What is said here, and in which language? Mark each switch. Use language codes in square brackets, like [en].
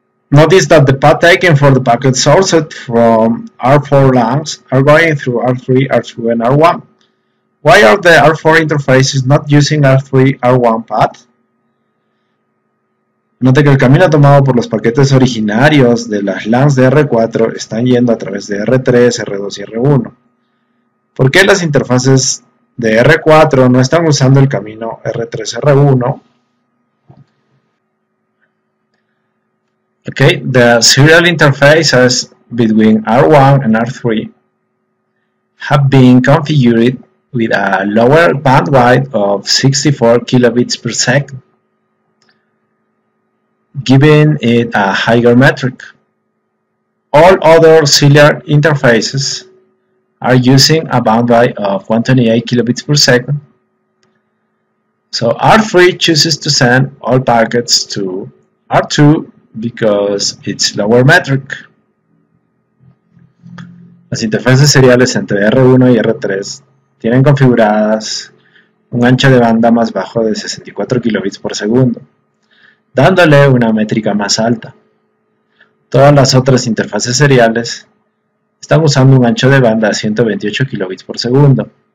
[en] Notice that the path taken for the packet sourced from R4 LANs are going through R3, R2, and R1. Why are the R4 interfaces not using R3, R1 path? [es] Note que el camino tomado por los paquetes originarios de las LANs de R4 están yendo a través de R3, R2 y R1. ¿Por qué las interfaces de R4 no están usando el camino R3, R1? [en] Okay, the serial interfaces between R1 and R3 have been configured with a lower bandwidth of 64 kilobits per second, giving it a higher metric. All other serial interfaces are using a bandwidth of 128 kilobits per second. So R3 chooses to send all packets to R2 because it's lower metric. [es] Las interfaces seriales entre R1 y R3 tienen configuradas un ancho de banda más bajo de 64 kilobits por segundo, dándole una métrica más alta. Todas las otras interfaces seriales están usando un ancho de banda de 128 kilobits por segundo.